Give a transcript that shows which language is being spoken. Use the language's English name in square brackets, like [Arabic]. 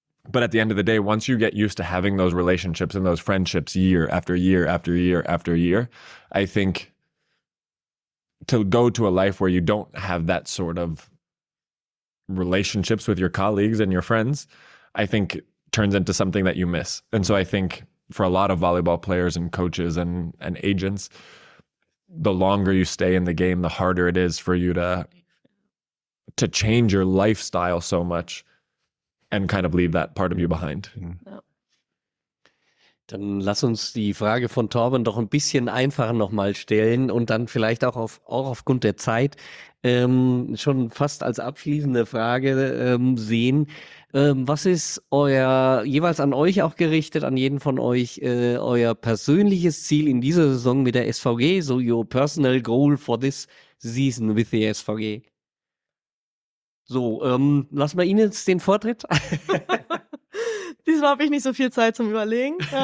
[English] But at the end of the day, once you get used to having those relationships and those friendships year after year after year after year, I think to go to a life where you don't have that sort of relationships with your colleagues and your friends, I think turns into something that you miss. And so I think for a lot of volleyball players and coaches and agents, the longer you stay in the game, the harder it is for you to change your lifestyle so much and kind of leave that part of you behind. Yeah. [German] Dann lass uns die Frage von Torben doch ein bisschen einfacher nochmal stellen und dann vielleicht auch aufgrund der Zeit schon fast als abschließende Frage sehen. Was ist euer, jeweils an euch auch gerichtet, an jeden von euch, euer persönliches Ziel in dieser Saison mit der SVG? [English] So your personal goal for this season with the SVG? [German] So, lass mal Ihnen jetzt den Vortritt. Diesmal habe ich nicht so viel Zeit zum Überlegen.